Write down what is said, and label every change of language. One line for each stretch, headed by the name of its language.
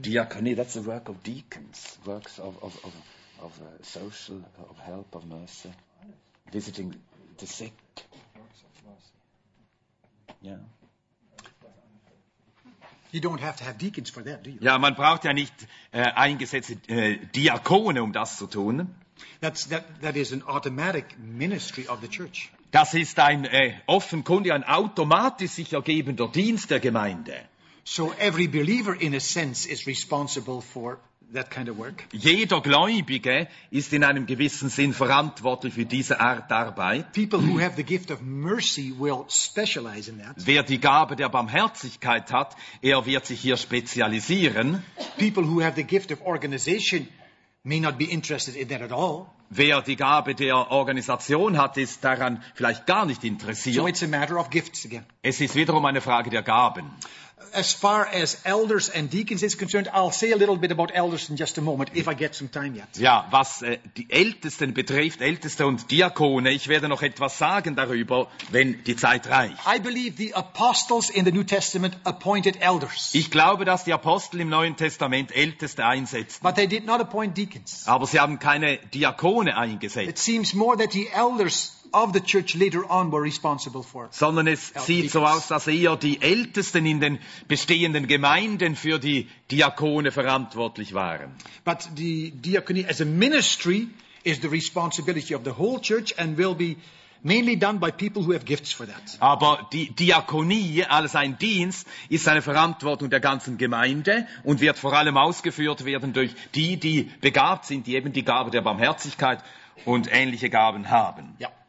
English: Diakonie, that's the work of deacons. Works of of social, of help, of mercy, visiting the sick. Yeah. You don't have to have deacons for that, do you?
German: Ja, man braucht ja nicht eingesetzte Diakone, um das zu tun.
English: That is an automatic ministry of the church.
German: Das ist ein offenkundig ein automatisch sich ergebender Dienst der Gemeinde.
English: So every believer in a sense is responsible for that kind of work.
German: Jeder Gläubige ist in einem gewissen Sinn verantwortlich für diese Art Arbeit.
English: People who have the gift of mercy will specialize in that.
German: Wer die Gabe der Barmherzigkeit hat, er wird sich hier spezialisieren.
English: People who have the gift of organization may not be interested in that at all.
German: Wer die Gabe der Organisation hat, ist daran vielleicht gar nicht interessiert.
English: So it's a matter of gifts again.
German: Es ist wiederum eine Frage der Gaben.
English: As far as elders and deacons is concerned, I'll say a little bit about elders in just a moment, if I get some time yet.
German: Ja, was die Ältesten betrifft, Älteste und Diakone, ich werde noch etwas sagen darüber, wenn die Zeit reicht.
English: I believe the apostles in the New Testament appointed elders.
German: Ich glaube, dass die Apostel im Neuen Testament Älteste einsetzten.
English: But they did not appoint deacons.
German: Aber sie haben keine Diakone eingesetzt.
English: It seems more that the elders of the church later on were responsible for.
German: Sondern es sieht so aus, dass eher die Ältesten in den bestehenden Gemeinden für die Diakone verantwortlich waren.
English: But the diakonie as a ministry is the responsibility of the whole church and will be mainly done by people who have gifts for that.
German: Aber die Diakonie als ein Dienst ist eine Verantwortung der ganzen Gemeinde und wird vor allem ausgeführt werden durch die, die begabt sind, die eben die Gabe der Barmherzigkeit und ähnliche Gaben haben. Ja.